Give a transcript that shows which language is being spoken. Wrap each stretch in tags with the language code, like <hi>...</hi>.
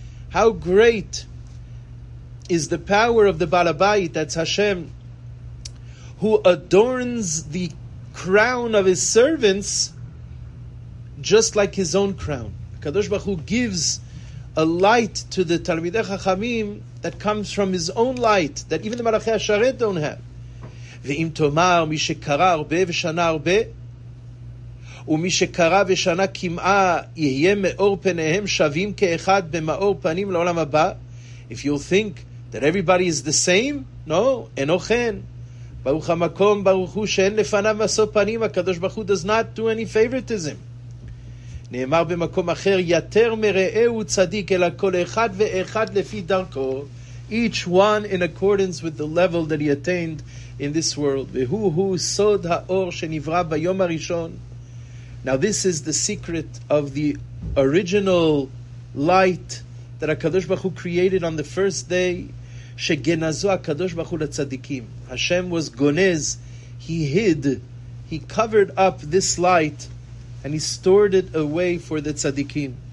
<en>How great is the power of the ba'al ha-bayit, that's Hashem, who adorns the crown of his servants just like his own crown. Kadosh Baruch Hu gives a light to the Talmidei Chachamim that comes from his own light that even the Malachei Hasharet don't have.</en> <he>ואם תאמר מי שקרא הרבה ושנה הרבה ומי שקרא ושנה כמעה יהיה מאור פניהם שווים כאחד במאור פנים לעולם הבא.</he> <en>If you think that everybody is the same, no,</en> <he>אינו כן. ברוך המקום ברוך הוא שאין לפניו משוא פנים. הקדוש ברוך הוא</he> <en>does not do any favoritism.</en> <he>נאמר במקום אחר, יתר מראהו צדיק, אלא כל אחד ואחד לפי דרכו,</he> <en>each one in accordance with the level that he attained in this world.</en> <he>והוא סוד האור שנברא ביום הראשון.</he> <en>Now this is the secret of the original light that HaKadosh Baruch Hu created on the first day.</en> <he>שגנזו HaKadosh Baruch Hu לצדיקים.</he> <en>Hashem was gonez, he hid, he covered up this light and he stored it away for the tzaddikim.</en>